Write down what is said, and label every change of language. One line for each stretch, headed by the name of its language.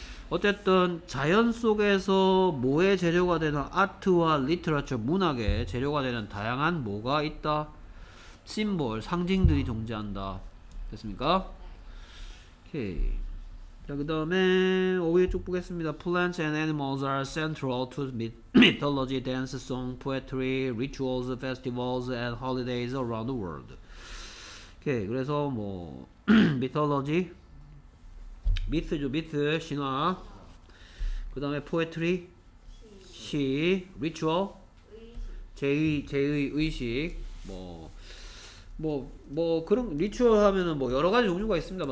Korean: 어쨌든 자연 속에서 뭐의 재료가 되는 아트와 리터러처 문학의 재료가 되는 다양한 뭐가 있다? 심볼, 상징들이 존재한다. 됐습니까? 오케이. 자 그 다음에 5위 쭉 보겠습니다.
English: Plants and animals are central to mythology, dance, song, poetry, rituals, festivals, and holidays around the world.
Korean: 오케이. 그래서 뭐 미터로지 미트죠. 미트 신화. 그 다음에 포에트리 시 리추얼 제의식 뭐 그런 리추얼 하면은 뭐 여러가지 종류가 있습니다.